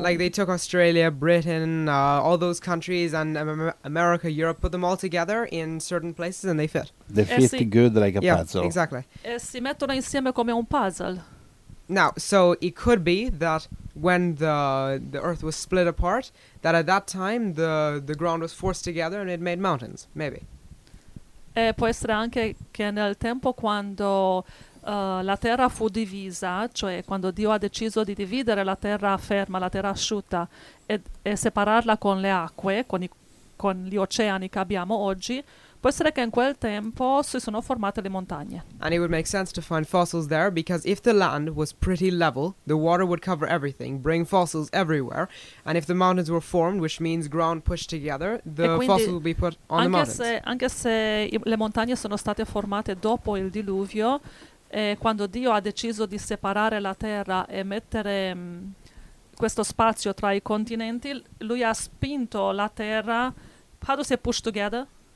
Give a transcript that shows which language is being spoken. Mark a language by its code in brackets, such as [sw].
[en] Like they took Australia, Britain, all those countries and America, Europe, put them all together in certain places and they fit. They fit good like a puzzle. Exactly. [it] E si mettono insieme come un puzzle. [en] Now, so it could be that when the earth was split apart, that at that time the ground was forced together and it made mountains, maybe. [it] E può essere anche che nel tempo quando la terra fu divisa, cioè quando Dio ha deciso di dividere la terra ferma, la terra asciutta, e separarla con le acque, con gli oceani che abbiamo oggi, può essere che in quel tempo si sono formate le montagne. [en] And it would make sense to find fossils there, because if the land was pretty level, the water would cover everything, bring fossils everywhere, and if the mountains were formed, which means ground pushed together, the fossils would be put on the mountains. [it] Anche se le montagne sono state formate dopo il diluvio, e quando Dio ha deciso di separare la terra e mettere questo spazio tra i continenti, lui ha spinto la terra. [en] How do you say push together?